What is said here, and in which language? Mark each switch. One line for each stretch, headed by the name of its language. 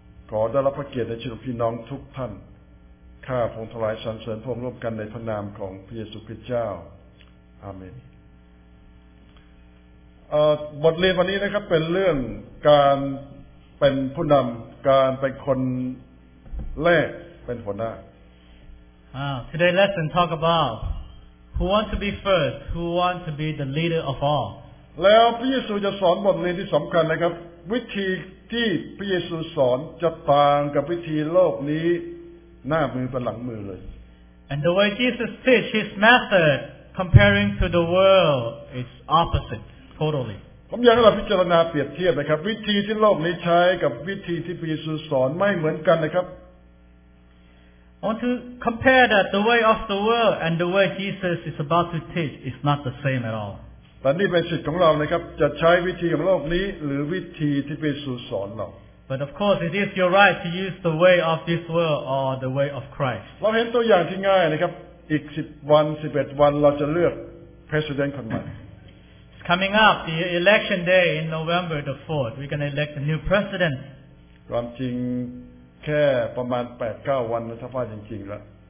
Thai: ขอได้รับพระเกียรติในชีวิตพี่น้องทุกท่านข้าพงศ์ทลายสรรเสริญพงศ์ร่วมกันในพระนามของพระเยซูคริสต์เจ้าอาเมนบทเรียนวันนี้นะครับเป็นเรื่องการเป็นผู้นำการเป็นคนแรกเป็นหัวหน้า
English: Today lesson talk about who want to be first who want to be the leader of all
Thai: แล้วพระเยซูจะสอนบทเรียนที่สำคัญนะครับวิธีที่พระเยซูสอนจะต่างกับวิธีโลกนี้หน้ามือเป็นหลังมือเลย
English: And the way Jesus teach his method comparing to the world is opposite totally
Thai: ผมอยากให้เราพิจารณาเปรียบเทียบนะครับวิธีที่โลกนี้ใช้กับวิธีที่พระเยซูสอนไม่เหมือนกันนะครับ
English: I want to compare that the way of the world and the way Jesus is about to teach is not the same at all
Thai: ตอนนี้เป็นสิทธิ์ของเรานะครับจะใช้วิธีของโลกนี้หรือวิธีที่พระเยซูสอนเรา
English: But of course, it is your right to use the way of this world or the way of Christ.
Thai: เราเห็นตัวอย่างที่ง่ายนะครับอีก10วัน11วันเราจะเลือก president คนใหม่
English: Coming up, the election day in November the 4th, we're going to elect a new president.
Thai: ความจริงแค่ประมาณ 8-9 วันนะถ้าว่าจริงๆแล้ว